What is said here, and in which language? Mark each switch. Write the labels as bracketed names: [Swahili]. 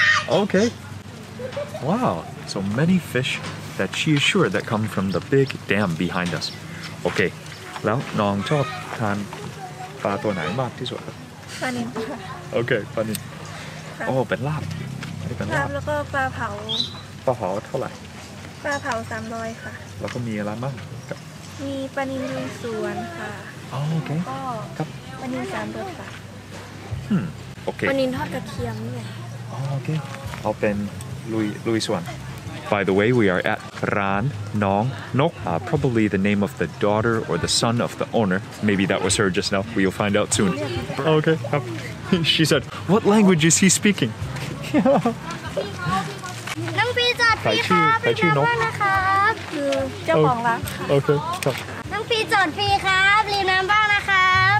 [English] โอเค Wow, so many fish that she is sure that come from the big dam behind us. [Thai] โอเค แล้วน้องชอบทานปลาตัวไหนมากที่สุด ปลานิ ลค่ะ โอเคปลานิล โอ้ เป็นลาบ เป็นลาบ แล้วก็ปลาเผา ปลาเผาเท่าไหร่ ปลาเผา300ค่ะ แล้วก็มีอะไรบ้าง มีปลานิลลุยสวนค่ ะ โอเค ก็ปลานิล3ตัวค่ะ [English] Okay. [Thai] วันนี้ทอดกระเทียมด้วย อ๋อโอเคเอาเป็นลุยส่วน [English] By the way we are at ร้านน้องนก probably the name of the daughter or the son of the owner maybe that was her just now we'll find out soon okay she said what language is he speaking [Thai] น้องปีจอดฟรีครับไปที่นกนะครับ คือเจ้าของร้าน โอเคครับ น้องปีจอดฟรีครับริมน้ำบ้างนะครับ